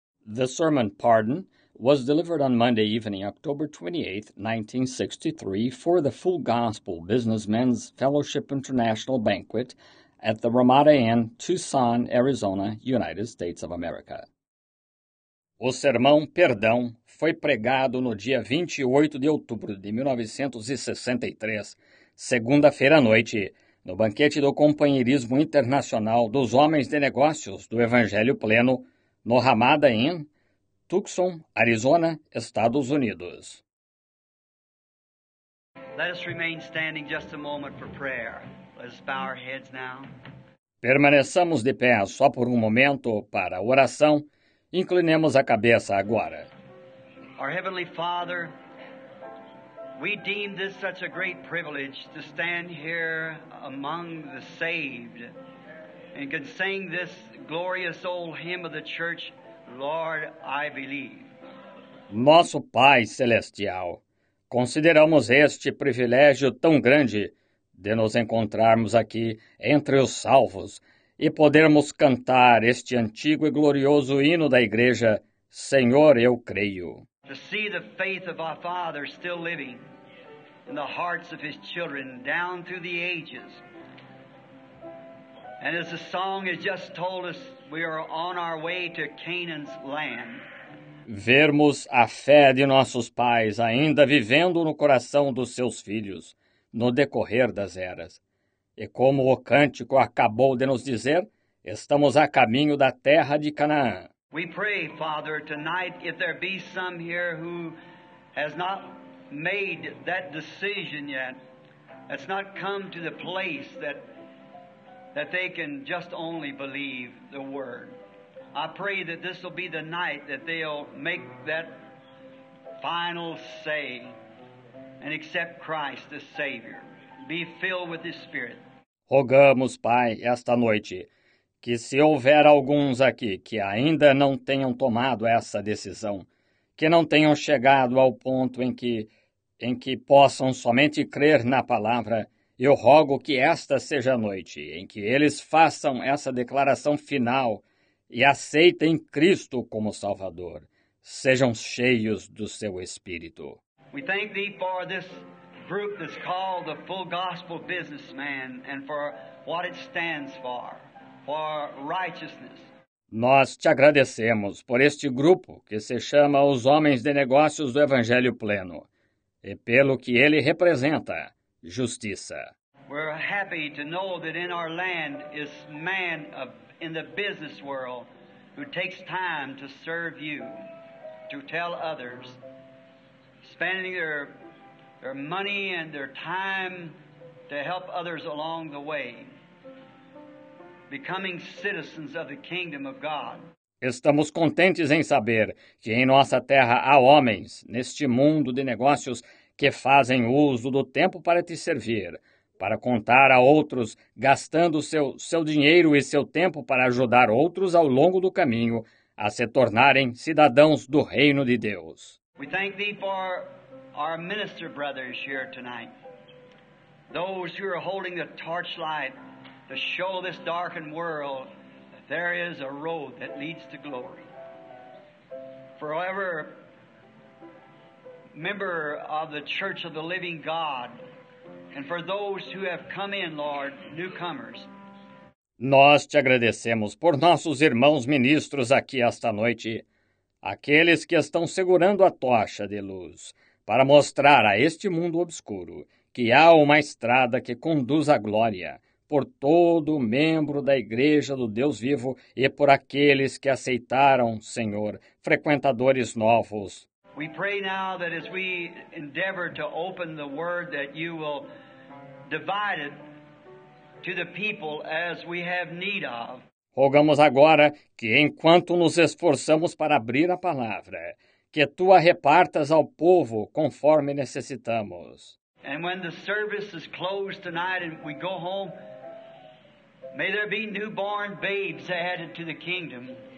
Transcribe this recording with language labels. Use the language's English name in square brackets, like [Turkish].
[English] The sermon, Pardon, was delivered on Monday evening, October 28, 1963, for the Full Gospel Businessmen's Fellowship International Banquet at the Ramada Inn, Tucson, Arizona, United States of America. [Portuguese] O sermão, Perdão, foi pregado no dia 28 de outubro de 1963, segunda-feira à noite, no banquete do Companheirismo Internacional dos Homens de Negócios do Evangelho Pleno, no Ramada Inn, Tucson, Arizona, Estados Unidos. [English] Let us remain standing just a moment for prayer. Let us bow our heads now. [Portuguese] Permaneçamos de pé só por um momento para a oração. Inclinemos a cabeça agora. [English] Our Heavenly Father, we deem this such a great privilege to stand here among the saved and can sing this glorious old hymn of the church, Lord, I Believe. [Portuguese] Nosso Pai Celestial, consideramos este privilégio tão grande de nos encontrarmos aqui entre os salvos e podermos cantar este antigo e glorioso hino da Igreja, Senhor, eu creio. [English] To see the faith of our Father still living in the hearts of His children down through the ages. And as the song has just told us, we are on our way to Canaan's land. [Portuguese] Vermos a fé de nossos pais ainda vivendo no coração dos seus filhos, no decorrer das eras. E como o cântico acabou de nos dizer, estamos a caminho da terra de Canaã. [English] We pray, Father, tonight, if there be some here who has not made that decision yet, has not come to the place that they can just only believe the word. I pray that this will be the night that they'll make that final say and accept Christ as Savior. Be filled with His Spirit. [Portuguese] Rogamos, Pai, esta noite, que se houver alguns aqui que ainda não tenham tomado essa decisão, que não tenham chegado ao ponto em que possam somente crer na palavra, eu rogo que esta seja a noite em que eles façam essa declaração final e aceitem Cristo como Salvador. Sejam cheios do Seu Espírito. [English] We thank Thee for this group that's called the Full Gospel Businessman and for what it stands for righteousness. [Portuguese] Nós Te agradecemos por este grupo que se chama os Homens de Negócios do Evangelho Pleno e pelo que ele representa. Justiça. [English] We're happy to know that in our land is man of, in the business world who takes time to serve you, to tell others, spending their money and their time to help others along the way, becoming citizens of the kingdom of God. [Portuguese] Estamos contentes em saber que em nossa terra há homens, neste mundo de negócios, que fazem uso do tempo para te servir, para contar a outros, gastando seu dinheiro e seu tempo para ajudar outros ao longo do caminho a se tornarem cidadãos do Reino de Deus. [English] We thank Thee for our minister brothers here tonight, those who are holding the torchlight to show this darkened world that there is a road that leads to glory. Forever member of the Church of the Living God, and for those who have come in, Lord, newcomers. [Portuguese] Nós Te agradecemos por nossos irmãos ministros aqui esta noite, aqueles que estão segurando a tocha de luz para mostrar a este mundo obscuro que há uma estrada que conduz à glória por todo membro da Igreja do Deus Vivo e por aqueles que aceitaram, Senhor, frequentadores novos. [English] We pray now that as we endeavor to open the word that you will divide it to the people as we have need of. [Portuguese] Rogamos agora que enquanto nos esforçamos para abrir a palavra, que tu a repartas ao povo conforme necessitamos. [English] And when the service is closed tonight and we go home, may there be newborn babes added to the kingdom.